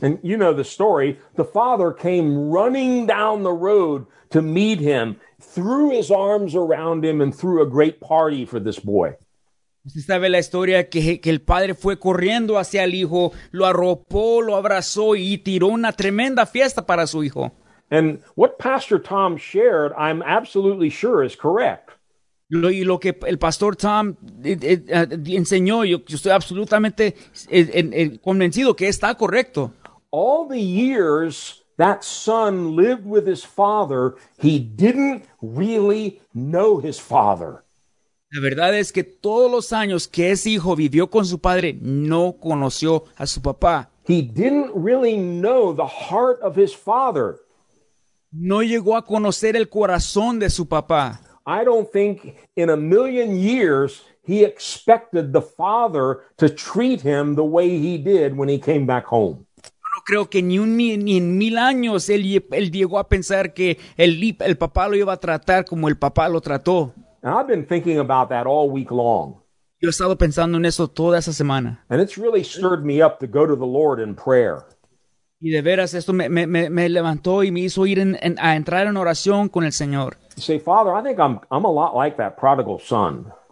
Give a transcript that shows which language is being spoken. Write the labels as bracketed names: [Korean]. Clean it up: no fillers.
[English] And you know the story. The father came running down the road to meet him, threw his arms around him, and threw a great party for this boy. [Spanish] Usted sabe la historia que el padre fue corriendo hacia el hijo, lo arropó, lo abrazó y tiró una tremenda fiesta para su hijo. [English] And what Pastor Tom shared, I'm absolutely sure is correct. [Spanish] Lo que el pastor Tom enseñó, yo estoy absolutamente convencido que está correcto. [English] All the years that son lived with his father, he didn't really know his father. [Spanish] La verdad es que todos los años que ese hijo vivió con su padre, no conoció a su papá. [English] He didn't really know the heart of his father. [Spanish] No llegó a conocer el corazón de su papá. [English] I don't think in a million years he expected the father to treat him the way he did when he came back home. [Spanish] No creo que ni en mil años él llegó a pensar que el papá lo iba a tratar como el papá lo trató. [English] And I've been thinking about that all week long. [Spanish] Yo he estado pensando en eso toda esa semana. [English] And it's really stirred me up to go to the Lord in prayer. [Spanish] Y de veras esto me levantó y me hizo ir a entrar en oración con el Señor. [English] Say, Father, I think I'm a lot like that prodigal son.